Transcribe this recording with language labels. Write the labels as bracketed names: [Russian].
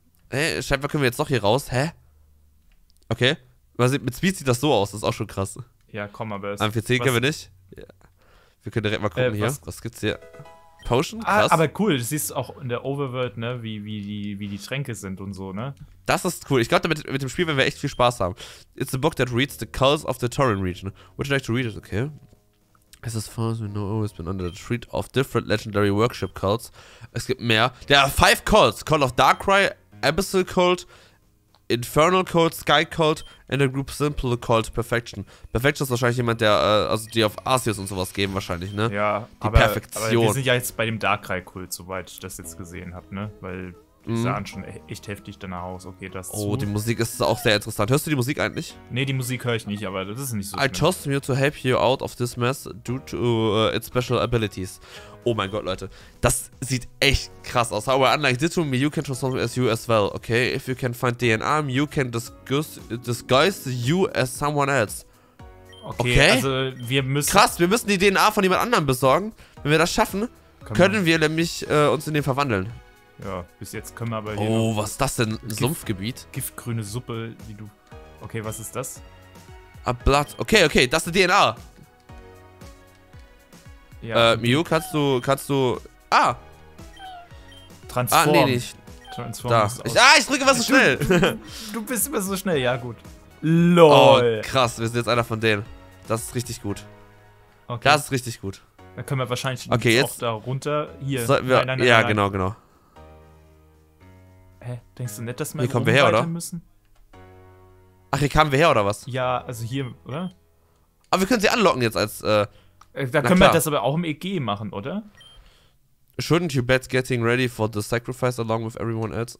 [German] Hey, scheinbar können wir jetzt doch hier raus. Hä? Okay. Mit Speed sieht das so aus. Das ist auch schon krass. Ja, komm, aber es... Am PC können wir nicht. Ja. Wir können direkt mal gucken hier. Was gibt's hier? Potion? Krass. Ah, aber cool. Du siehst auch in der Overworld, ne, wie die Tränke sind und so, ne? Das ist cool. Ich glaube, mit dem Spiel werden wir echt viel Spaß haben. [English] It's a book that reads the Cults of the Torrent Region. Would you like to read it? Okay. As far as we know, always been under the treat of different legendary worship cults. [German] Es gibt mehr. [English] There are 5 cults. Call of Darkrai, Abyssal Cult, Infernal Cult, Sky Cult and a group simple called Perfection. [German] Perfection ist wahrscheinlich jemand, der, also die auf Arceus und sowas geben wahrscheinlich, ne? Ja, die Perfektion. Aber wir sind ja jetzt bei dem Darkrai-Kult, soweit ich das jetzt gesehen habe, ne? Weil die sahen schon echt heftig danach aus. Okay, das zu. Oh, die Musik ist auch sehr interessant. Hörst du die Musik eigentlich? Nee, die Musik höre ich nicht, aber das ist nicht so schlimm. [English] I chose you to help you out of this mess due to its special abilities. [German] Oh mein Gott, Leute. Das sieht echt krass aus. [English] However, unlike Ditto, Miu can transform as you as well, okay? If you can find DNA, Miu can disguise you as someone else. [German] Okay? Also, wir müssen... Krass, wir müssen die DNA von jemand anderem besorgen. Wenn wir das schaffen, können wir nämlich uns in den verwandeln. Ja, bis jetzt können wir aber... Oh, was ist das denn? Sumpfgebiet? Giftgrüne Suppe, die du... Okay, was ist das? [English] A Blood. [German] Okay, das ist die DNA. Ja, Miu, kannst du... Ah! [English] Transform. [German] Ah, nee, nicht. [English] Transform [German] da. Ich drücke was so schnell. Du bist immer so schnell, ja gut. Lol. Oh, krass, wir sind jetzt einer von denen. Das ist richtig gut. Okay. Das ist richtig gut. Da können wir wahrscheinlich okay, jetzt auch da runter. Hier. Sollten wir, nein. Genau. Hä? Denkst du nicht, dass wir hier kommen wir her, oder? Müssen? Ach, hier kamen wir her, oder was? Ja, also hier, oder? Aber wir können sie anlocken jetzt als, Da können wir das aber auch im EG machen, oder? [English] Shouldn't you bet getting ready for the sacrifice along with everyone else?